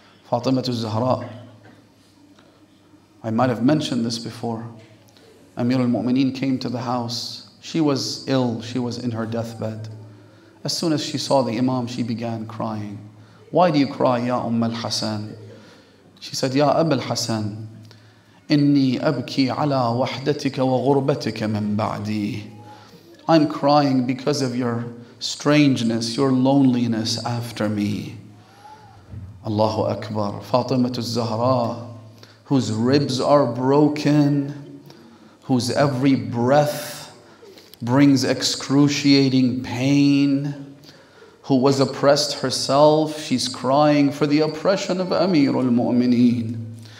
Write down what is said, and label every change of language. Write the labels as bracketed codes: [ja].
[en] Fatima al-Zahra, I might have mentioned this before, Amir al-Mu'mineen came to the house. She was ill, she was in her deathbed. As soon as she saw the Imam, she began crying. Why do you cry, Ya Umm al-Hasan? She said, [ar] Ya Abba al-Hasan, إني أبكي على وحدتك وغربتك من بعدي. [en] I'm crying because of your strangeness, your loneliness after me. Allahu Akbar. Fatima al-Zahra, whose ribs are broken, whose every breath brings excruciating pain, who was oppressed herself, she's crying for the oppression of Amir al-Mu'mineen.